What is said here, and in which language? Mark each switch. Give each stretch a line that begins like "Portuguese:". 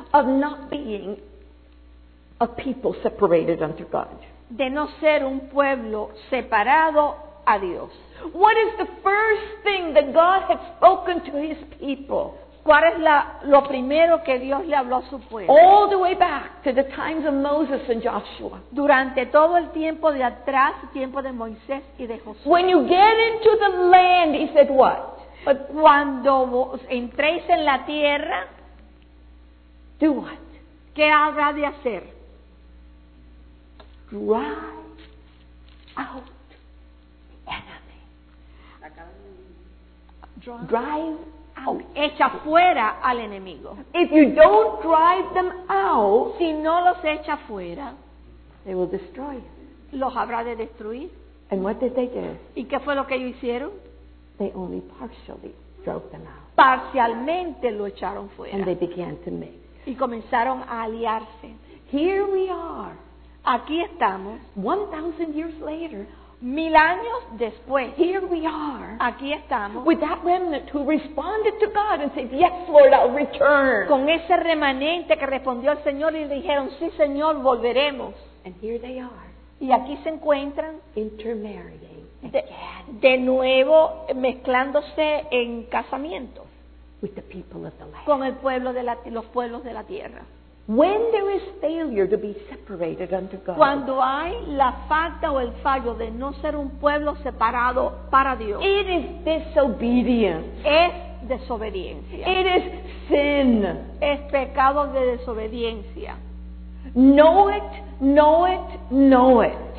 English: of not being a people separated unto God.
Spanish: De no ser un pueblo separado a Dios.
English: What is the first thing that God had spoken to his people?
Spanish: ¿Cuál es lo primero que Dios le habló a su pueblo?
English: All the way back to the times of Moses and Joshua.
Spanish: Durante todo el tiempo de atrás, tiempo de Moisés y de Josué.
English: When you get into the land, he said what?
Spanish: But cuando vos entréis en la tierra,
English: do what?
Spanish: ¿Qué habrá de hacer?
English: Drive out enemy. Drive out.
Spanish: Echa fuera al enemigo.
English: If you don't drive them out,
Spanish: si no los echa fuera,
English: they will destroy.
Spanish: Los habrá de destruir.
English: And what did they do?
Spanish: ¿Y qué fue lo que ellos hicieron?
English: They only partially drove them out.
Spanish: Parcialmente lo echaron fuera.
English: And they began to mix.
Spanish: Y comenzaron a aliarse.
English: Here we are.
Spanish: Aquí estamos.
English: 1,000 years later.
Spanish: Mil años después,
English: here we are,
Spanish: aquí estamos,
English: with that remnant who responded to God and said, "Yes, Lord, I'll return."
Spanish: Con ese remanente que respondió al Señor y le dijeron, "Sí, Señor, volveremos."
English: And here they are.
Spanish: Y aquí se encuentran
English: intermarrying again.
Spanish: De nuevo mezclándose en casamiento
English: with the people of the land.
Spanish: Con el pueblo de los pueblos de la tierra.
English: When there is failure to be separated unto God.
Spanish: Cuando hay la falta o el fallo de no ser un pueblo separado para Dios.
English: It is disobedience.
Spanish: Es desobediencia.
English: It is sin.
Spanish: Es pecado de desobediencia.
English: Know it, know it, know it.